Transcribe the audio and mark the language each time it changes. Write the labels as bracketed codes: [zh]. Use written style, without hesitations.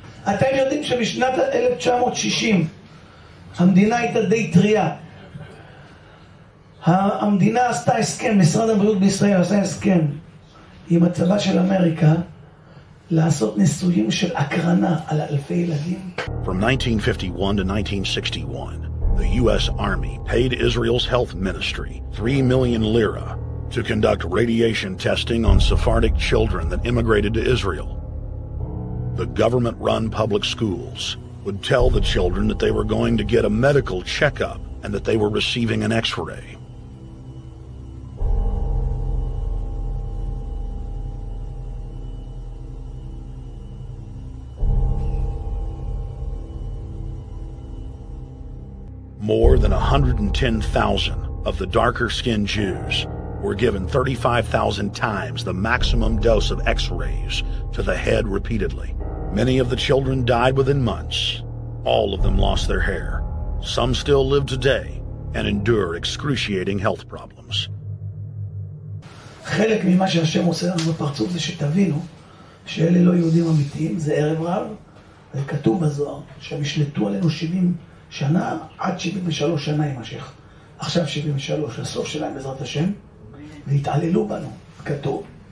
[he] אתם יודעים שבשנת 1960, המדינה הייתה די טריה. המדינה עשתה הסכם, משרד הבריאות בישראל עשה הסכם עם הצבא של אמריקה לעשות ניסויים של הקרנה על אלפי ילדים. [en] From 1951 to 1961, the U.S. Army paid Israel's health ministry 3 million lira to conduct radiation testing on Sephardic children that immigrated to Israel. The government-run public schools would tell the children that they were going to get a medical checkup and that they were receiving an x-ray. More than 110,000 of the darker-skinned Jews were given 35,000 times the maximum dose of x-rays to the head repeatedly. Many of the children died within months. All of them lost their hair. Some still live today and endure excruciating health problems. [he] חלק ממה שהשם עושה לנו בפרצוף זה שתבינו שאלה לא יהודים אמיתיים, זה ערב רב, זה כתוב בזוהר שהם ישלטו עלינו 70 שנה, עד 73 שנה יימשך. עכשיו 73, הסוף שלהם בעזרת השם, והתעללו בנו, כתוב.